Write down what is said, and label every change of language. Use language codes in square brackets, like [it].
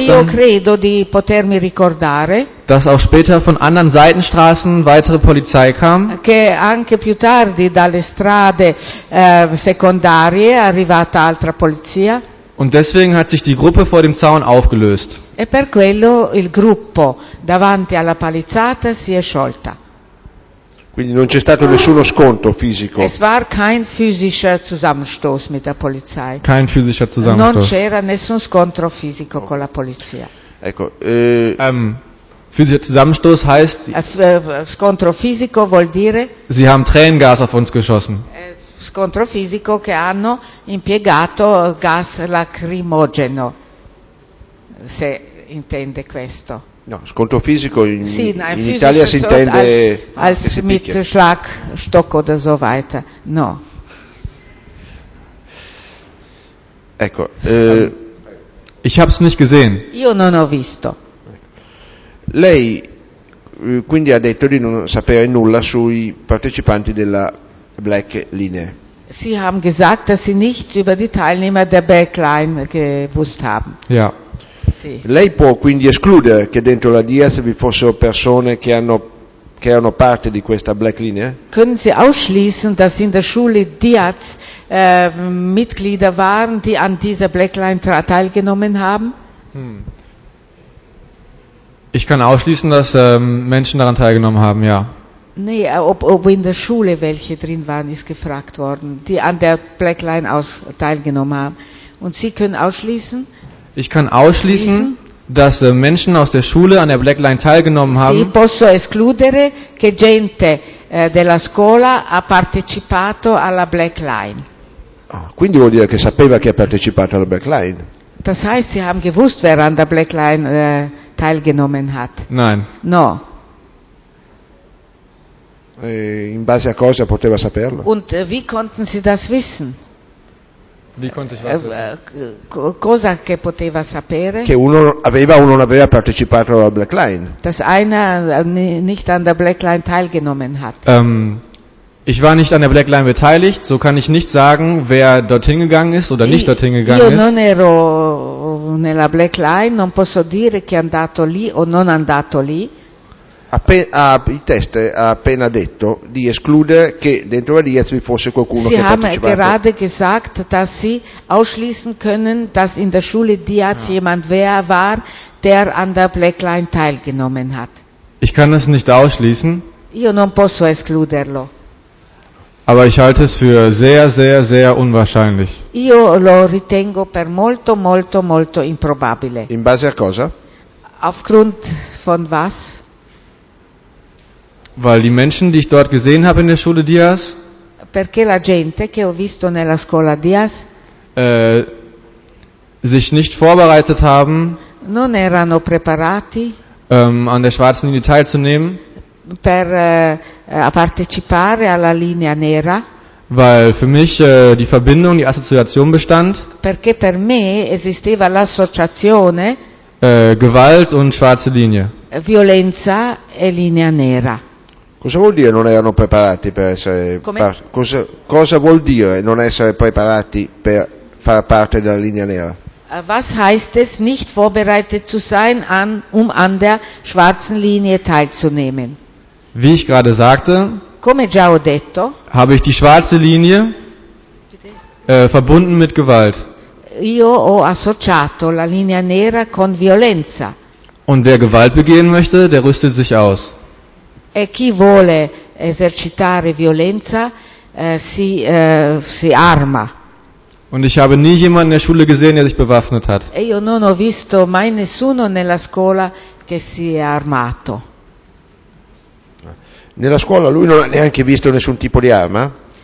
[it] io credo di potermi ricordare, [de] dass auch später von anderen Seitenstraßen weitere Polizei kam, [it] che anche più tardi dalle strade secondarie è arrivata altra polizia. [de] Und deswegen hat sich die Gruppe vor dem Zaun aufgelöst. [it] E per quello il gruppo davanti alla palizzata si è sciolta. Quindi non c'è stato nessuno scontro fisico. [de] Es war kein physischer Zusammenstoß mit der Polizei. Kein physischer Zusammenstoß. [it] Non c'era nessun scontro fisico con la polizia. Ecco. [de] Physischer Zusammenstoß heißt. [it] Scontro fisico vuol dire. [de] Sie haben Tränengas auf uns geschossen. [it] Scontro fisico che hanno impiegato gas lacrimogeno. Se intende questo. No, scontro fisico in Italia si intende [de] als mit Schlag, Stock oder so weiter. [it] No. Ecco, [de] ich hab's nicht gesehen. [it] Io non ho visto. Lei quindi ha detto di non sapere nulla sui partecipanti della Black Line. [de] Sie haben gesagt, dass sie nichts über die Teilnehmer der Black Line gewusst haben. Ja. [it] Sì. Lei può quindi escludere che dentro la Diaz vi fossero persone che erano parte di questa Black Line? [de] Können Sie ausschließen, dass in der Schule Diaz Mitglieder waren, die an dieser Black Line teilgenommen haben? Ich kann ausschließen, dass Menschen daran teilgenommen haben, ja. Nee, ob in der Schule welche drin waren, ist gefragt worden, die an der Black Line teilgenommen haben. Und Sie können ausschließen? Ich kann ausschließen, dass Menschen aus der Schule an der Black Line teilgenommen haben. [it] Sì, posso escludere che gente della scuola ha partecipato alla Black Line. Quindi vuol dire che sapeva chi ha partecipato alla Black Line? [de] Das heißt, sie haben gewusst, wer an der Black Line teilgenommen hat. Nein. [it] No. In base a cosa poteva saperlo? [de] Und wie konnten Sie das wissen? [it] Di quanto ci fosse, cosa che poteva sapere? Che uno aveva o non aveva partecipato alla Black Line. [de] Dass einer nicht an der Black Line teilgenommen hat. Ich war nicht an der Black Line beteiligt, so kann ich nicht sagen, wer dorthin gegangen ist oder nicht dorthin gegangen [it] io [de] ist. [it] Io non ero nella Black Line, non posso dire chi è andato lì o non andato lì. Il test ha appena detto di escludere che dentro la Diaz vi fosse qualcuno [de] Sie [it] che ha partecipato. [de] Sie haben gerade gesagt, dass Sie ausschließen können, dass in der Schule Diaz jemand wer war, der an der Black Line teilgenommen hat. Ich kann es nicht ausschließen. [it] Io non posso escluderlo. [de] Aber ich halte es für sehr, sehr, sehr unwahrscheinlich. [it] Io lo ritengo per molto, molto, molto improbabile. In base a cosa? [de] Aufgrund von was? Weil die Menschen, die ich dort gesehen habe in der Schule Diaz, [it] perché la gente che ho visto nella scuola Diaz, [de] sich nicht vorbereitet haben, [it] non erano preparati, [de] an der schwarzen Linie teilzunehmen, [it] per a partecipare alla linea nera. [de] Weil für mich die Verbindung, die Assoziation bestand. [it] Perché per me esisteva l'associazione. [de] Gewalt und schwarze Linie. [it] Violenza e linea nera. Cosa vuol dire non erano preparati per essere? Cosa vuol dire non essere preparati per far parte della linea nera? [de] Was heißt es, nicht vorbereitet zu sein, an der schwarzen Linie teilzunehmen? Wie ich gerade sagte, [it] come già ho detto, [de] habe ich die schwarze Linie verbunden mit Gewalt. [it] Io ho associato la linea nera con violenza. [de] Und wer Gewalt begehen möchte, der rüstet sich aus. [it] E chi vuole esercitare violenza si arma. [de] Und ich habe nie jemanden in der Schule gesehen, der sich bewaffnet hat. [it] E io non ho visto mai nessuno nella scuola che si è armato. Nella scuola lui non ha neanche visto nessun tipo di arma?